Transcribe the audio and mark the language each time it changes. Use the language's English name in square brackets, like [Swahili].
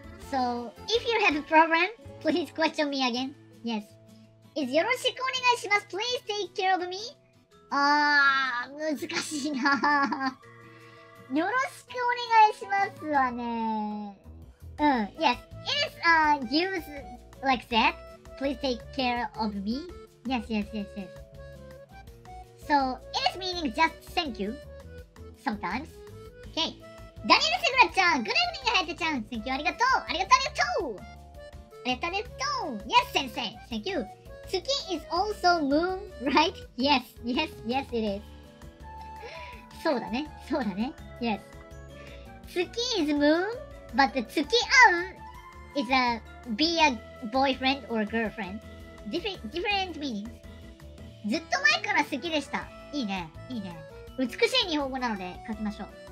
[English] So, if you have a problem, please question me again. Yes. [Japanese] Is よろしくお願いします。 [English] Please take care of me. [Japanese] あー、難しいな。よろしくお願いしますわね。 [English] Yes. It is, used like that. Please take care of me. Yes, yes, yes, yes. So, it is meaning just thank you. Sometimes. Okay. ダニエル・セグラ [Japanese] ちゃん、グレブリン、ハヤテちゃん、センキュー、ありがとう、ありがとう、ありがとう、ありがとう、Yes 先生、センキュー。 [English] 月 is also moon, right? Yes, yes, yes it is. [Japanese] そうだね、そうだね、Yes. [English] 月 is moon, but the 月 on is a be a boyfriend or a girlfriend. Different meanings. [Japanese] ずっと前から好きでした。いいね、いいね。美しい日本語なので書きましょう。